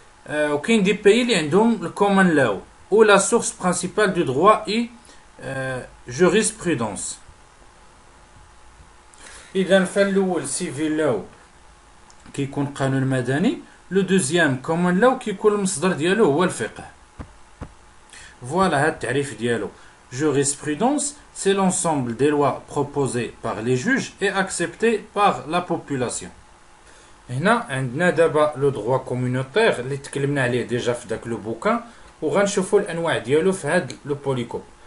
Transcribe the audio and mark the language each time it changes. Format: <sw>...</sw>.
<ar>وكاين دي باي اللي عندهم الكومن لو</ar> <fr>ou la source principale du droit est jurisprudence.</fr> <ar>اذا فالاول سيفيل لو كيكون قانون مدني.</ar> <fr>Le deuxième, comment là, qui est le</fr> <ar>مصدر ديالو هو الفقه.</ar> <fr>Voilà le</fr> <ar>تعريف ديالو.</ar> <fr>Jurisprudence, c'est l'ensemble des lois proposées par les juges et acceptées par la population.</fr> <ar>هنا عندنا دابا</ar> <fr>le droit communautaire,</fr> <ar>اللي تكلمنا عليه déjà في داك</ar> <fr>le bouquin,</fr> <ar>و غنشوفو الانواع ديالو في هاد</ar> <fr>le polycope.</fr>